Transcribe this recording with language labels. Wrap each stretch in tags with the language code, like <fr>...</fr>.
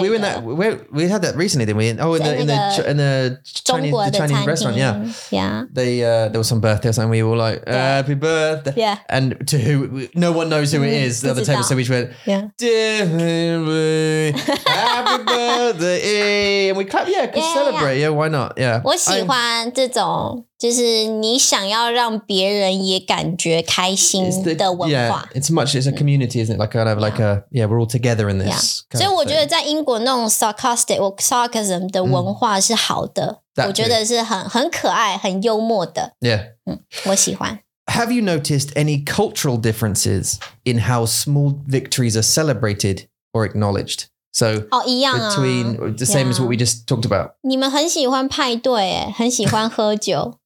<en>We went that we had that recently, didn't we? Oh, in the Chinese restaurant, yeah. There was some birthday, and we were all like, "Happy birthday!" Yeah, and to who? No one knows who it is. The other table, so we just went, "Yeah, happy birthday!" And we clap, yeah, because celebrate, yeah, why not? Yeah,</en> <zh>我喜欢这种。就是你想要让别人也感觉开心的文化。It's</zh> <en>a community, isn't it? Like kind of like a we're all together in this. Yeah.</en> <zh>所以我觉得在英国那种</zh> <en>sarcastic or sarcasm</en> <zh>的文化是好的，我觉得是很可爱、很幽默的。Yeah，我喜欢。Have</zh> <en>you noticed any cultural differences in how small victories are celebrated or acknowledged? So, the same as what we just talked about.</en> <zh>你们很喜欢派对，很喜欢喝酒。</zh>